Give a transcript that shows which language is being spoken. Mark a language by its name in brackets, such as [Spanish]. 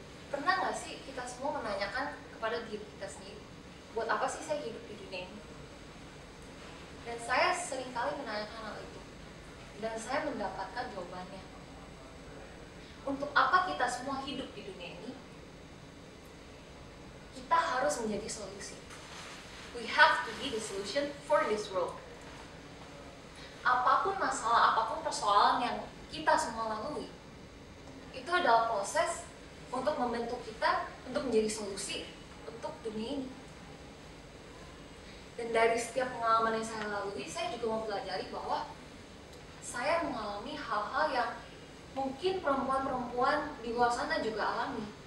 [Indonesian] Pernah gak sih kita semua menanyakan kepada diri kita sendiri, buat apa sih saya hidup di dunia ini? Dan saya seringkali menanyakan hal itu. Dan saya mendapatkan jawabannya. Untuk apa kita semua hidup di dunia ini? Kita harus menjadi solusi. [English] We have to be the solution for this world. [Indonesian] Apapun masalah, apapun persoalan yang kita semua lalui, itu adalah proses untuk membentuk kita untuk menjadi solusi untuk dunia ini. Dan dari setiap pengalaman yang saya lalui, saya juga mempelajari bahwa saya mengalami hal-hal yang mungkin perempuan-perempuan di luar sana juga alami.